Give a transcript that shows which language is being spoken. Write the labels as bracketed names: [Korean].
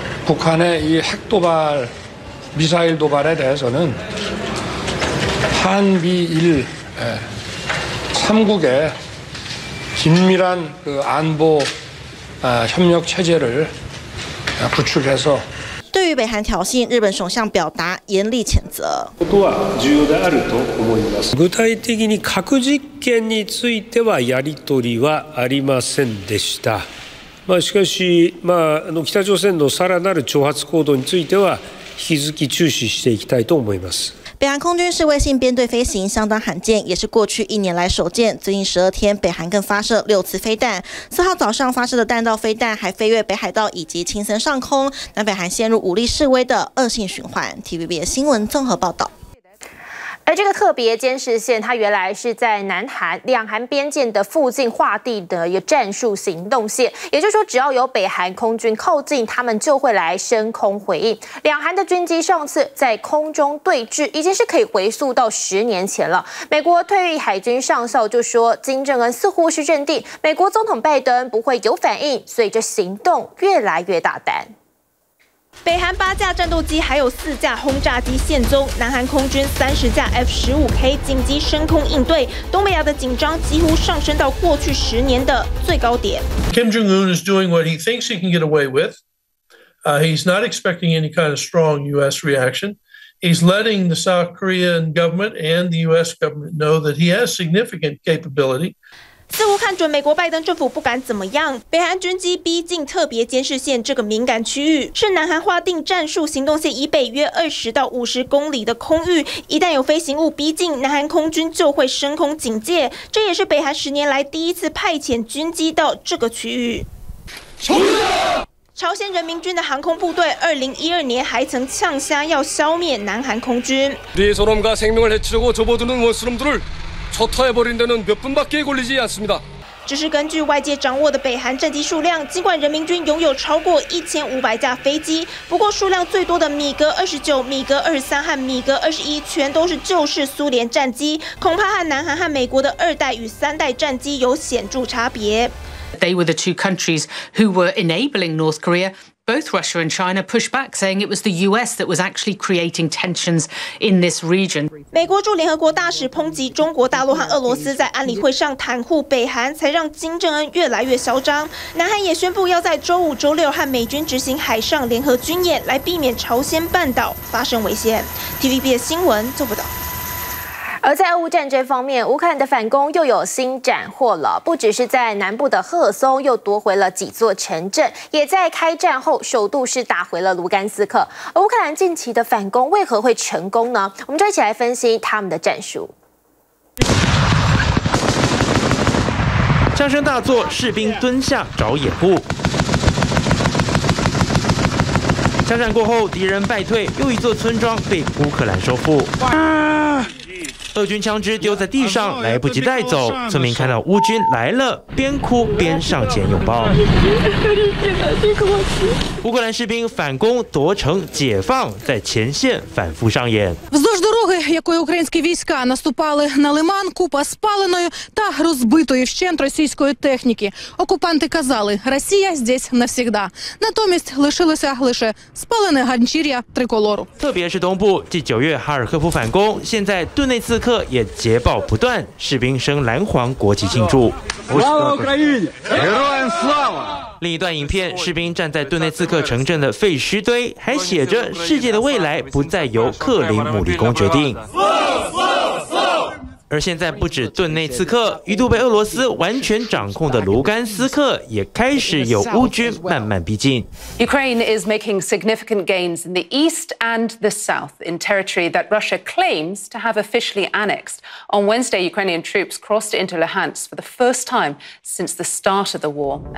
[Korean] 북한의이핵도발미사일도발에대해서는한미일삼국의긴밀한그안보협력체제를구축해서 [Chinese] 对于北韩挑衅，日本首相表达严厉谴责。 [Japanese] ことは重要であると思います。具体的に核実験についてはやり取りはありませんでした。まあ、しかし、まあ、北朝鮮のさらなる挑発行動については引き続き注視していきたいと思います。 [Chinese] 北韩空军示威性编队飞行相当罕见，也是过去一年来首见。最近12天，北韩更发射6次飞弹。4号早上发射的弹道飞弹还飞越北海道以及青森上空，南北韩陷入武力示威的恶性循环。 TVB 新闻综合报道。而这个特别监视线，它原来是在南韩两韩边界的附近划定的一个战术行动线，也就是说，只要有北韩空军靠近，他们就会来升空回应。两韩的军机上次在空中对峙，已经是可以回溯到10年前了。美国退役海军上校就说，金正恩似乎是认定美国总统拜登不会有反应，所以这行动越来越大胆。北韩8架战斗机，还有4架轰炸机现踪；南韩空军30架 F-15K 紧急升空应对。东北亚的紧张几乎上升到过去10年的最高点。 [English] Kim Jong Un is doing what he thinks he can get away with. He's not expecting any kind of strong U.S. reaction. He's letting the South Korean government and the U.S. government know that he has significant capability. [Chinese] 似乎看准美国拜登政府不敢怎么样，北韩军机逼近特别监视线这个敏感区域，是南韩划定战术行动线以北约20到50公里的空域。一旦有飞行物逼近，南韩空军就会升空警戒。这也是北韩10年来第一次派遣军机到这个区域。朝鲜人民军的航空部队2012年还曾呛虾要消灭南韩空军。 [Korean] 네소름과생명을해치려고접어두는원수놈들을초토해버린데는몇분밖에걸리지않습니다 [Chinese] 只是根据外界掌握的北韩战机数量，尽管人民军拥有超过1500架飞机，不过数量最多的米格29、米格23和米格21全都是旧式苏联战机，恐怕和南韩和美国的2代与3代战机有显著差别。 [English] They were the two countries who were enabling North Korea. Both Russia and China pushed back, saying it was the U.S. that was actually creating tensions in this region. [Chinese] 美国驻联合国大使抨击中国大陆和俄罗斯在安理会上袒护北韩，才让金正恩越来越嚣张。南韩也宣布要在周五、周六和美军执行海上联合军演，来避免朝鲜半岛发生危险。 TVB 的新闻做不到。而在俄乌战争方面，乌克兰的反攻又有新斩获了，不只是在南部的赫尔松又夺回了几座城镇，也在开战后首度是打回了卢甘斯克。而乌克兰近期的反攻为何会成功呢？我们就一起来分析他们的战术。枪声大作，士兵蹲下找掩护。枪战过后，敌人败退，又一座村庄被乌克兰收复。俄军枪支丢在地上，来不及带走。村民看到乌军来了，边哭边上前拥抱。乌克兰士兵反攻夺城解放，在前线反复上演。 [Ukrainian] Вздовж дороги, якою українські війська наступали на Лиман, купа спаленої та розбитої вщент російської техніки. Окупанти казали, Росія [Russian] здесь навсегда. [Ukrainian] Натомість лишилося лише спалене ганчір'я триколору. [Chinese] 特别是东部，继九月哈尔科夫反攻，现在顿内茨克也捷报不断，士兵升蓝黄国旗庆祝。另一段影片，士兵站在顿内茨克城镇的废墟堆，还写着“世界的未来不再由克林姆林宫决定”。而现在，不止顿内茨克，一度被俄罗斯完全掌控的卢甘斯克，也开始有乌军慢慢逼近。 [English] Ukraine is making significant gains in the east and the south in territory that Russia claims to have officially annexed. On Wednesday, Ukrainian troops crossed into Luhansk for the first time since the start of the war.